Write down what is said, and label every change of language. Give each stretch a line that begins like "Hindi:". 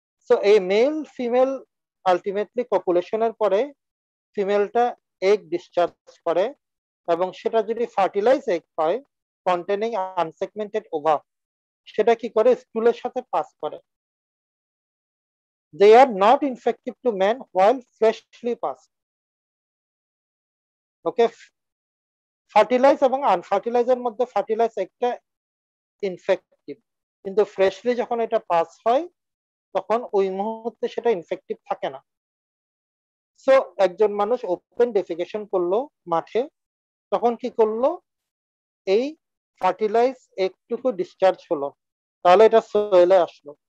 Bangla: So এই male female ultimately পপুলেশনের পরে ফিমেলটা এগ ডিসচার্জ করে, এবং সেটা যদি ফার্টিলাইজ এগ হয়
English: containing unsegmented ova,
Bangla: সেটা কি করে স্টুলের সাথে পাস করে।
English: They are not infective to men while freshly passed.
Bangla: Okay, fertilized এবং আনফার্টিলাইজের মধ্যে ফার্টিলাইজ একটা ইনফেক্টিভ, কিন্তু ফ্রেশলি যখন এটা পাস হয় তখন ওই মুহূর্তে সেটা ইনফেক্টিভ থাকে না। সো একজন মানুষ ওপেন ডেফিকেশন করলো মাঠে, তখন কি করলো, এই ফার্টিলাইজ একটুকু ডিসচার্জ হলো, তাহলে এটা সোয়েলে আসলো।